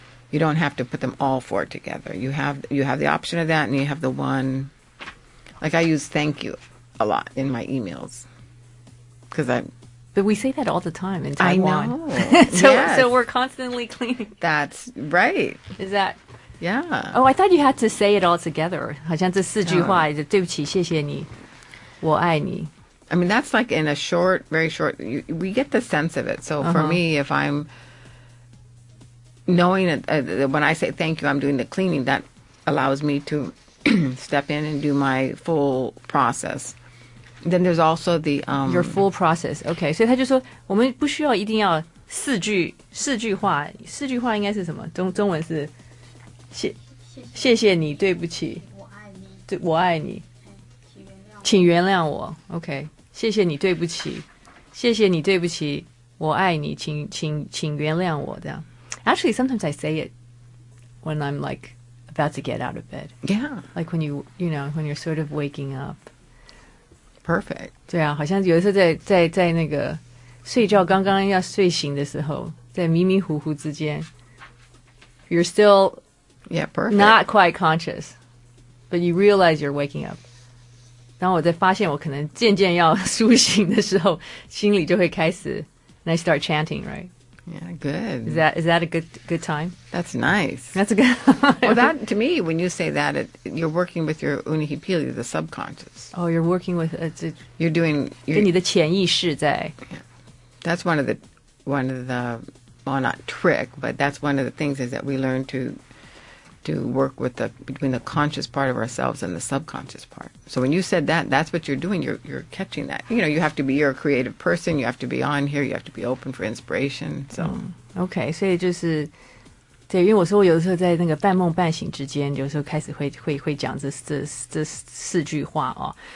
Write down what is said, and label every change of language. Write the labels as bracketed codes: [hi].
[en] You don't have to put them all four together. You have the option of that and you have the one. Like I use thank you a lot in my emails. But we say that all the time in Taiwan. I know. So we're constantly cleaning. That's right. Is that... Yeah. Oh, I thought you had to say it all together. [zh] 好像这四句话是、对不起，谢谢你，我爱你。 [en] I mean, that's like in a short, very short, we get the sense of it. So for me, if I'm knowing that when I say thank you, I'm doing the cleaning, that allows me to step in and do my full process. Then there's also the... Your full process. Okay. [zh] 所以他就说我们不需要一定要四句话应该是什么？中文是... 谢谢你，对不起，我爱你，请原谅我。 OK， 谢谢你，对不起，谢谢你，对不起，我爱你，请原谅我。 [en] 这样 ，Actually, sometimes I say it when I'm like about to get out of bed. Yeah, like when you know when you're sort of waking up. Perfect. [zh] 对啊，好像有的时候在那个睡觉刚刚要睡醒的时候，在迷迷糊糊之间 ， [en] you're still yeah perfect not quite conscious, but you realize you're waking up. [zh] 当我在发现我可能渐渐要苏醒的时候，心里就会开始 ， [en] and I start chanting, right? Yeah, good. Is that a good time? That's nice. That's a good. Well, that to me, when you say that, you're working with your unihipili, the subconscious. Oh, you're working with it. You're doing. [zh] 跟你的潜意识在。 [en] Yeah. That's one of the, well, not trick, but that's one of the things is that we learn to work with between the conscious part of ourselves and the subconscious part. So when you said that, that's what you're doing. You're catching that. You know, you have to be, you're a creative person. You have to be on here. You have to be open for inspiration. So, Okay. [zh] 所以就是对，因为我说我有的时候在那个半梦半醒之间，有时候开始会讲这四句话哦。